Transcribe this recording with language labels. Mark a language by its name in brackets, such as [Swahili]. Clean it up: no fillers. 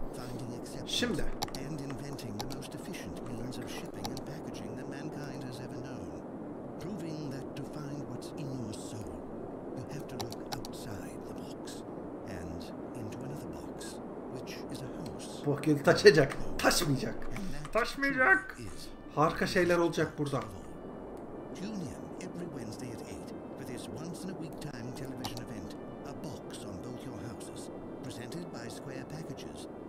[Turkish] Tamam. Şimdi [English] and inventing the most efficient means of shipping and packaging that mankind has ever known, proving that to find what's in your soul you have to look outside the box and into another box which is a house. [Turkish] Bu akıl taşacak, taşmayacak. Taşmayacak. Harika şeyler olacak burada. [English] Junior every Wednesday at 8 for this once in a week time television event, a box on both your houses presented by Square Packages.